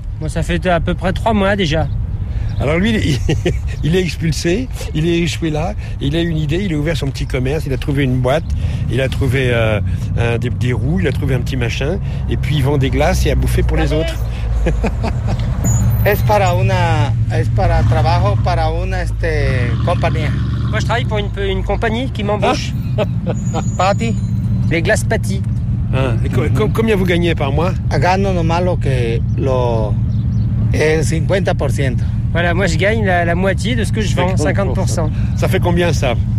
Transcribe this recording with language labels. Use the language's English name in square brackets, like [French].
[French] Moi, ça fait à peu près 3 mois déjà. Alors lui, il est expulsé, il est échoué là, il a une idée, il a ouvert son petit commerce, il a trouvé une boîte, il a trouvé des roues, il a trouvé un petit machin, et puis il vend des glaces et à bouffer pour les autres. [Spanish] Es para una, es para trabajo para una este compañía. [French] Moi je travaille pour une compagnie qui m'embauche. Patty, les glaces Patty. Combien vous gagnez par mois? [Spanish] Gano nomás lo que lo en 50%. [French] Voilà, moi je gagne la moitié de ce que je vends, 50%. Ça fait combien ça?